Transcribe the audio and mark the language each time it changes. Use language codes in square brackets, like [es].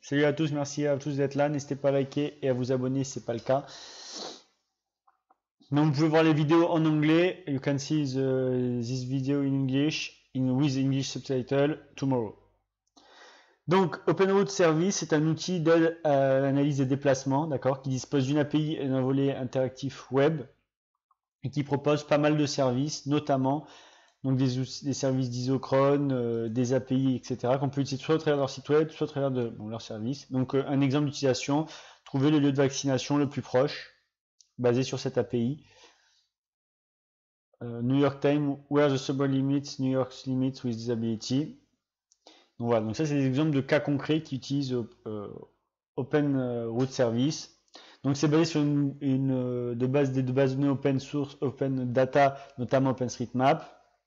[fr] Salut à tous, merci à tous d'être là. N'hésitez pas à liker et à vous abonner si ce n'est pas le cas. Donc, vous pouvez voir les vidéos en anglais. [en] You can see this video in English, with English subtitle tomorrow. [fr] Donc, Open Route Service est un outil d'aide à l'analyse des déplacements, d'accord, qui dispose d'une API et d'un volet interactif web et qui propose pas mal de services, notamment. Donc des services d'isochrone, des API, etc. qu'on peut utiliser soit au travers de leur site web, soit au travers de leur service. Donc un exemple d'utilisation, trouver le lieu de vaccination le plus proche, basé sur cette API. [en] New York Times, where the suburb limits, New York's limits with disability. [fr] Donc voilà, donc ça c'est des exemples de cas concrets qui utilisent Open Route Service. Donc c'est basé sur des bases de données open source, open data, notamment OpenStreetMap.